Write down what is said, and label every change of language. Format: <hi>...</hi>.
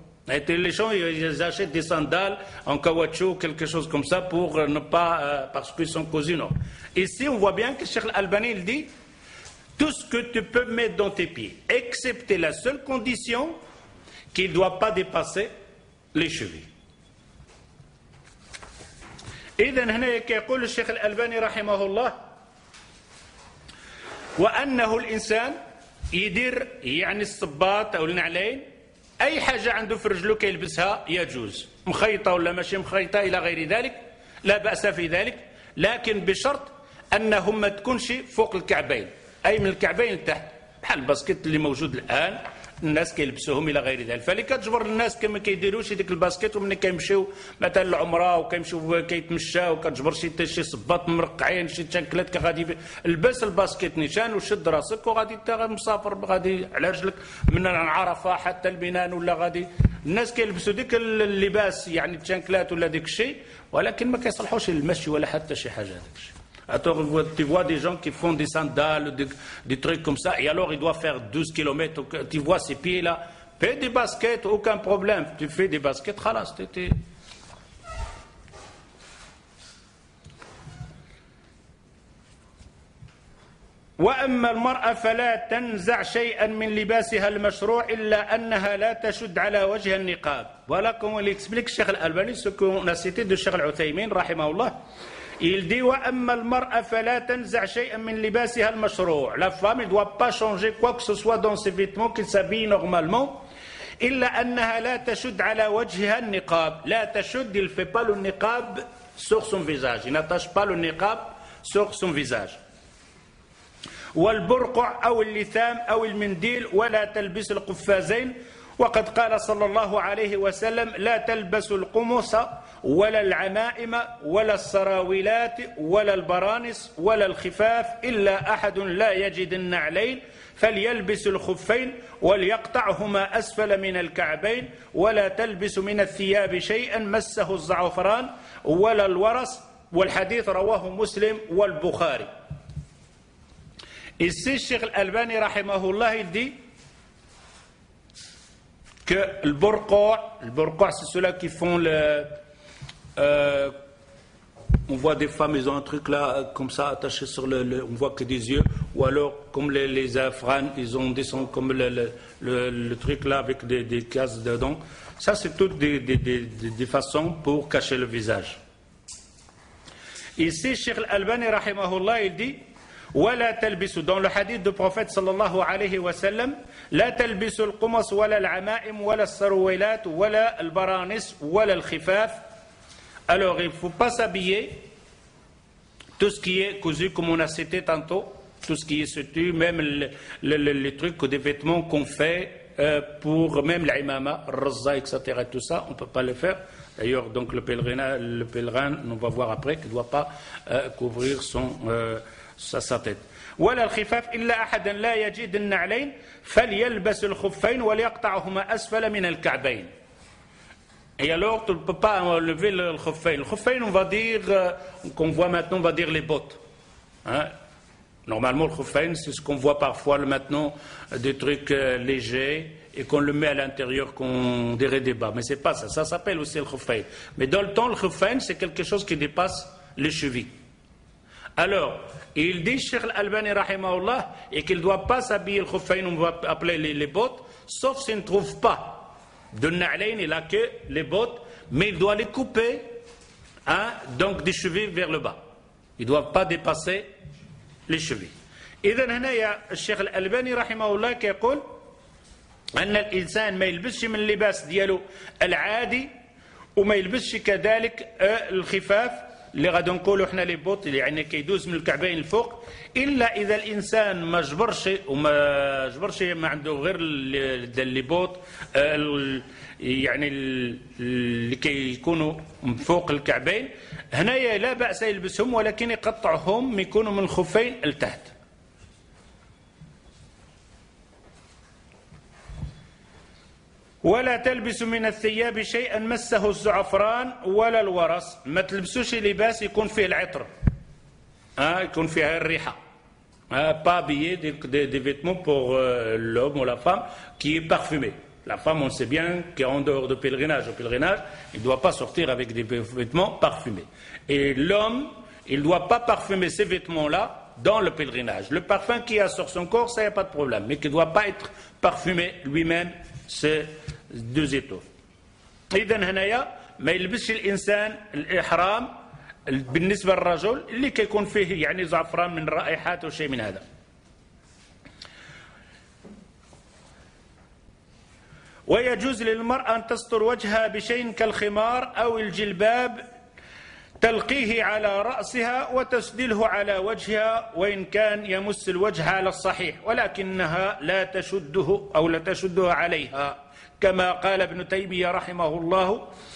<fr>Et les gens, ils achètent des sandales en caoutchouc, quelque chose comme ça, pour ne pas, parce qu'ils sont cousus, non. Ici, on voit bien que Cheikh Al-Albani, il dit, tout ce que tu peux mettre dans tes pieds, excepté la seule condition qu'il ne doit pas dépasser les chevilles.</fr> <ar>إذن هنا يقول الشيخ الألباني رحمه الله وأنه الإنسان يدير يعني الصباط أو النعلين أي حاجة عنده في رجله كيلبسها يجوز مخيطة ولا ماشي مخيطة إلى غير ذلك لا بأس في ذلك لكن بشرط أنهم ما تكونش فوق الكعبين أي من الكعبين لتحت بحال الباسكت اللي موجود الآن الناس كيلبسوهم إلى غير ذلك فاللي كتجبر الناس كما كيديروش ديك الباسكت ومن كيمشيو مثلا العمرة وكيمشيو كيتمشاو كتجبر شي صباط مرقعين شي تشانكلات كغادي البس الباسكت نيشان وشد راسك وغادي انت مسافر غادي على رجلك من عرفة حتى البنان ولا غادي الناس كيلبسوا ديك اللباس يعني تشانكلات ولا ديك الشيء ولكن ما كيصلحوش للمشي ولا حتى شي حاجة هذاك الشيء.</ar> <fr>Alors, tu vois des gens qui font des sandales, des trucs comme ça, et alors ils doivent faire 12 km. Tu vois ces pieds-là, fais des baskets, aucun problème. Tu fais des baskets, khala, c'était.</fr> <ar>وأما المرأة فلا تنزع شيئا من لباسها المشروع إلا أنها لا تشد على وجه النقاب.</ar> <fr>Voilà comment l'explique Cheikh Al-Albani ce qu'on a cité de Cheikh Al-Uthaymin, rahimahullah. Il dit,</fr> <ar>وأما المرأة فلا تنزع شيئا من لباسها المشروع.</ar> <fr>La femme ne doit pas changer quoi que ce soit dans ses vêtements qu'elle s'habille normalement.</fr> <ar>إلا أنها لا تشد على وجهها النقاب. لا تشد,</ar> <fr>il ne fait pas le niqab sur son visage. Il n'attache pas le niqab sur son visage.</fr> <ar>والبرقع أو اللثام أو المنديل ولا تلبس القفازين. وقد قال صلى الله عليه وسلم لا تلبس القمص ولا العمائم ولا السراويلات ولا البرانس ولا الخفاف إلا أحد لا يجد النعلين فليلبس الخفين وليقطعهما أسفل من الكعبين ولا تلبس من الثياب شيئا مسه الزعفران ولا الورس والحديث رواه مسلم والبخاري. إذن الشيخ الألباني رحمه الله دي</ar> <fr>que le burqa, c'est ceux-là qui font le... on voit des femmes, ils ont un truc là, comme ça, attaché sur le... On voit que des yeux. Ou alors, comme les afranes, ils ont des sons comme le truc là, avec des cases dedans. Ça, c'est toutes des façons pour cacher le visage. Ici, Cheikh Al-Albani, rahimahullah, il dit...</fr> <ar>ولا تلبس</ar> <fr>dans le hadith du prophète</fr> <ar>sallallahu alayhi wa sallam لا تلبس القمص ولا العمائم ولا السرويلات ولا البرانس ولا الخفاف.</ar> <fr>Alors il ne faut pas s'habiller tout ce qui est cousu comme on a cité tantôt, tout ce qui est soutu, même les trucs ou des vêtements qu'on fait pour même l'imama, raza, etc. Tout ça, on ne peut pas le faire. D'ailleurs, donc le pèlerin, on va voir après, qu'il ne doit pas couvrir son... sa tête.</fr> <ar>ولا الخفاف إلا أحد لا يجد النعلين فليلبس الخفين وليقطعهما أسفل من الكعبين.</ar> <fr>Et alors, tu ne peux pas enlever le khuffain. Le khuffain, on va dire, qu'on voit maintenant, on va dire les bottes. Hein? Normalement, le khuffain, c'est ce qu'on voit parfois maintenant, des trucs légers, et qu'on le met à l'intérieur, qu'on dirait des bas. Mais ce n'est pas ça. Ça s'appelle aussi le khuffain. Mais dans le temps, le khuffain, c'est quelque chose qui dépasse les chevilles. Alors, il dit, Cheikh Al-Albani, rahimahullah, et qu'il ne doit pas s'habiller le khuffain, on va appeler les bottes, sauf s'il ne trouve pas de na'lain, il n'a que les bottes, mais il doit les couper, hein, donc des chevilles vers le bas. Ils ne doivent pas dépasser les chevilles. Et donc, il y a Cheikh Al-Albani, rahimahullah, qui dit,</fr> <ar>أن الإنسان ما يلبسش من اللباس ديالو العادي وما يلبسش كذلك الخفاف اللي غادي نقولوا احنا لي بوط اللي يعني كيدوز من الكعبين الفوق إلا إذا الإنسان ما جبرش وما جبرش ما عنده غير اللي بوط يعني اللي كيكونوا من فوق الكعبين هنا لا بأس يلبسهم ولكن يقطعهم يكونوا من الخفين التحت. ولا تلبس من الثياب شيئا مسه الزعفران ولا الورص. ما تلبسوش لباس يكون فيه العطر يكون فيها الريحه</ar> <fr>pas habillé des vêtements pour l'homme ou la femme qui est parfumé. La femme, on sait bien qu'en en dehors de pèlerinage, au pèlerinage, il ne doit pas sortir avec des vêtements parfumés. Et l'homme, il ne doit pas parfumer ces vêtements-là dans le pèlerinage. Le parfum qu'il a sur son corps, ça n'y a pas de problème, mais qu'il ne doit pas être parfumé lui-même. C'est deux étoffes.</fr> <ar>إذن هنايا ما يلبسش الإنسان الإحرام بالنسبة للرجل اللي كيكون فيه يعني زعفران من رائحات وشيء من هذا. ويجوز للمرأة أن تستر وجهها بشيء كالخمار أو الجلباب تلقيه على رأسها وتسدله على وجهها وإن كان يمس الوجه على الصحيح ولكنها لا تشده أو لا تشده عليها كما قال ابن تيمية رحمه الله.</ar>